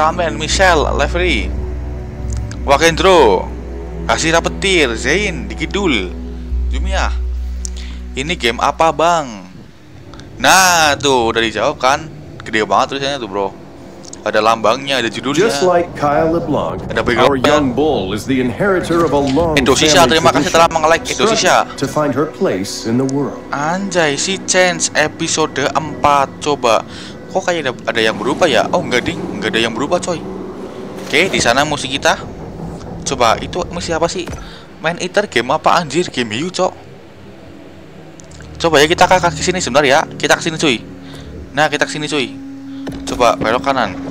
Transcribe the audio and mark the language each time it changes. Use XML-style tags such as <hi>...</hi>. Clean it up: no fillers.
<id>Amen, Michelle, Lefri, Wakendro, Kasira Petir, Zain, Dikidul, Jumiah. Ini game apa bang? Nah, tuh udah dijawab kan. Gede banget tulisannya tuh bro. Ada lambangnya, ada judulnya.</id> <en>Just like Kyle LeBlanc,</en> <id>ada backup-nya.</id> <en>Our young bull is the inheritor of a long family.</en> <id>Indosisha, terima kasih telah meng-like Indosisha.</id> <en>To find her place in the world.</en> <id>Anjay, si Chance episode 4. Coba, kok kayak ada yang berubah ya? Oh, enggak ding, enggak ada yang berubah coy. Oke, di sana musik kita. Coba, itu musik apa sih? Main Eater game apa anjir? Game Yu, cok. Coba ya, kita ke sini sebentar ya. Kita ke sini cuy. Nah, kita ke sini cuy. Coba belok kanan.</id>